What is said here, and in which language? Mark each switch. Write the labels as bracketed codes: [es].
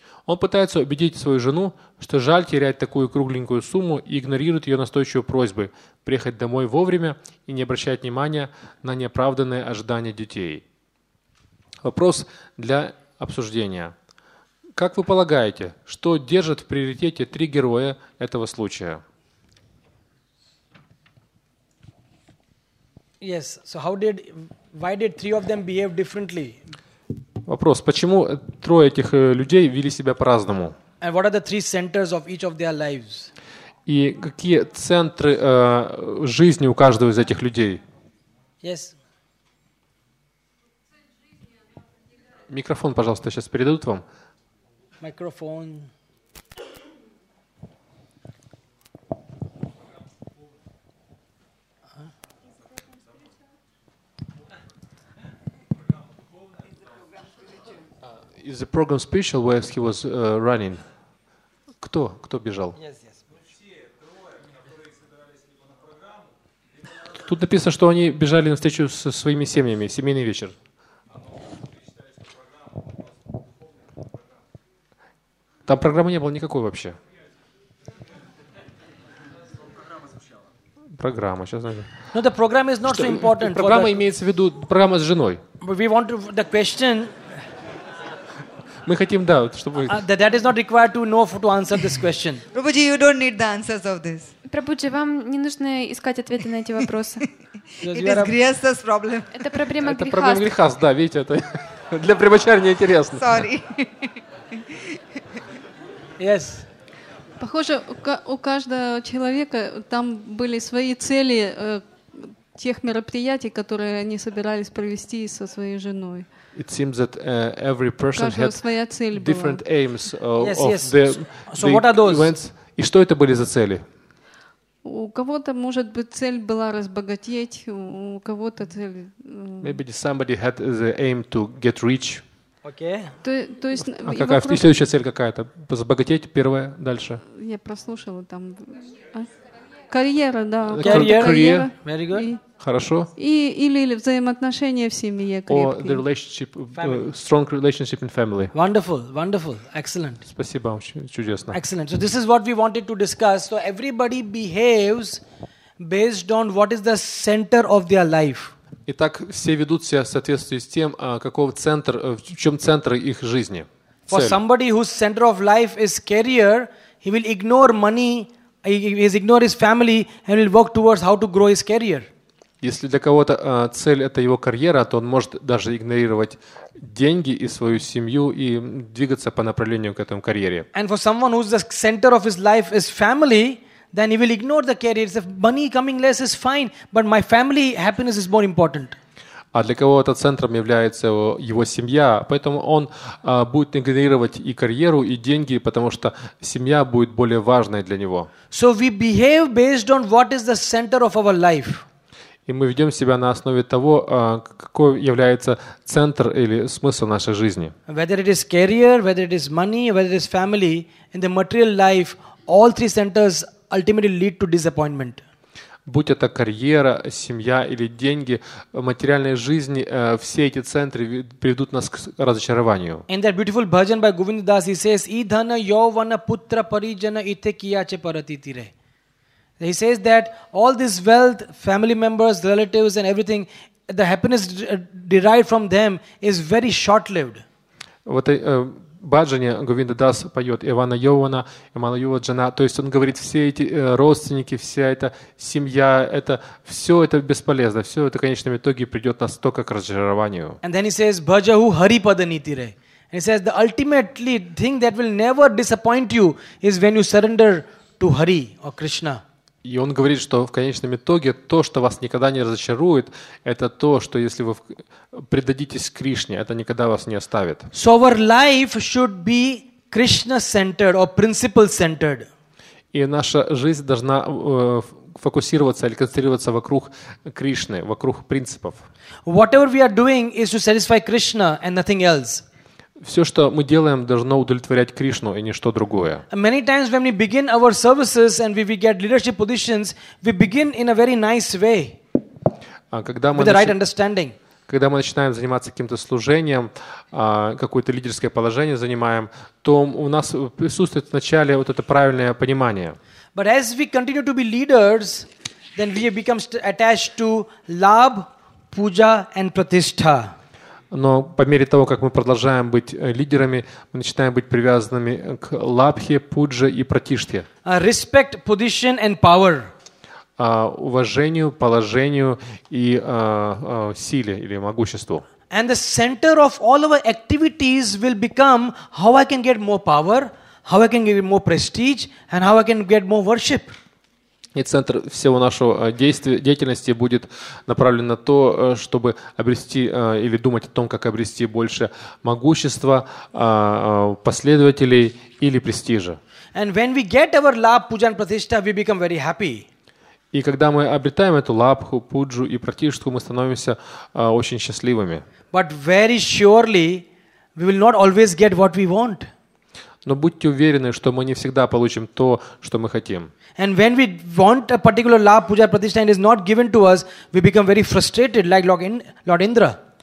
[ru] Он пытается убедить свою жену, что жаль терять такую кругленькую сумму, и игнорирует ее настойчивые просьбы приехать домой вовремя и не обращать внимания на неоправданные ожидания детей. Вопрос для обсуждения. Как вы полагаете, что держит в приоритете три героя этого случая? [en] Yes. So how did, why did three of them behave differently? [ru] Вопрос: почему трое этих людей вели себя по-разному? [en] And what are the three centers of each of their lives? [ru] И какие центры жизни у каждого из этих людей? [en] Yes. [ru] Микрофон, пожалуйста, сейчас передадут вам. [en] Microphone. Is the program special where he was running? [ru] Кто? Кто бежал? Тут написано, что они бежали на встречу со своими семьями, семейный вечер. Там программы не было никакой вообще. Программа, сейчас найду. [en] No, the program is not so important. [ru] Программа имеется в виду, программа с женой. [en] But we want to, the question... [ru] Мы хотим, да, чтобы... [en] That is not required to know to answer this question. Prabhuji, you don't need the answers of this. [ru] Prabhuji, вам не нужно искать ответы на эти вопросы. [en] It is Grihastha's problem. [ru] Это проблема Grihastha. Это проблема Grihastha, да, видите, это для Прибачарь неинтересно. [en] Sorry. Yes. [ru] Похоже, у каждого человека там были свои цели тех мероприятий, которые они собирались провести со своей женой. [en] It seems that every person had different [ru] была. [en] Aims of the events. [ru] И что это были за цели? У кого-то, может быть, цель была разбогатеть, у кого-то цель... [en] Maybe somebody had the aim to get rich. Okay. [ru] То есть, а какая, вопрос... следующая цель какая-то? Разбогатеть, первая, дальше. Я прослушала там... Карьера, да. Карьера. [en] Very good. [ru] Хорошо. Или взаимоотношения в семье крепкие. [en] Or the relationship, strong relationship in family. Wonderful, wonderful, excellent. [ru] Спасибо вам, чудесно. [en] Excellent. So this is what we wanted to discuss. So everybody behaves based on what is the center of their life. [ru] Итак, все ведут себя в соответствии с тем, какого центр, в чем центр их жизни. [en] For somebody whose center of life is career, he will ignore money, he will ignore his family and will work towards how to grow his career. [ru] Если для кого-то цель – это его карьера, то он может даже игнорировать деньги и свою семью и двигаться по направлению к этому карьере. [en] And for someone whose the center of his life is family, then he will ignore the career. If money coming less is fine, but my family happiness is more important. [ru] А для кого-то центром является его семья, поэтому он будет игнорировать и карьеру, и деньги, потому что семья будет более важной для него. [en] So we behave based on what is the center of our life. [ru] И мы ведем себя на основе того, какой является центр или смысл нашей жизни. [en] Whether it is career, whether it is money, whether it is family, in the material life, all three centers ultimately lead to disappointment. [ru] Будь это карьера, семья или деньги, в материальной жизни все эти центры приведут нас к разочарованию. [en] In that beautiful bhajan by Govinda Das, he says, [bn] "Idhana yovana putra parijana ite kiyache paratiti re." [en] He says that all this wealth, family members, relatives and everything, the happiness derived from them is very short-lived. [ru] Вот в баджане Говинда Дас поет Ивана Йована, Ивана Йована Джана. То есть он говорит, все эти родственники, вся эта семья, это все это бесполезно. Все это в конечном итоге придет нас только к разочарованию. [en] And then he says, [bn] Bhajahu Hari Padanitire. [en] And he says, the ultimately thing that will never disappoint you is when you surrender to Hari or Krishna. [ru] И он говорит, что в конечном итоге то, что вас никогда не разочарует, это то, что если вы предадитесь Кришне, это никогда вас не оставит. [en] So our life should be Krishna-centered or principle-centered. [ru] И наша жизнь должна фокусироваться или концентрироваться вокруг Кришны, вокруг принципов. [en] Whatever we are doing is to satisfy Krishna and nothing else. [ru] Все, что мы делаем, должно удовлетворять Кришну и ничто другое. [en] Many times when we begin our services and we get leadership positions, we begin in a very nice way. [ru] Когда мы [en] with the right understanding. [ru] когда мы начинаем заниматься каким-то служением, какое-то лидерское положение занимаем, то у нас присутствует вначале вот это правильное понимание. [en] But as we continue to be leaders, then we become attached to love, puja and pratishtha. [ru] Но по мере того, как мы продолжаем быть лидерами, мы начинаем быть привязанными к лабхе, пудже и пратиште. [en] Respect, position and power. [ru] Уважению, положению и силе или могуществу. [en] And the center of all our activities will become how I can get more power, how I can get more prestige and how I can get more worship. [ru] И центр всего нашего действия, деятельности будет направлен на то, чтобы обрести или думать о том, как обрести больше могущества, последователей или престижа. [en] And when we get our lab, puja and pratishtha, we become very happy. [ru] И когда мы обретаем эту лабху, пуджу и пратишту, мы становимся очень счастливыми. [en] But very surely we will not always get what we want. [ru] Но будьте уверены, что мы не всегда получим то, что мы хотим. [en] And when we want a particular lab, puja, pratishtha, and is not given to us, we become very frustrated, like Lord Indra.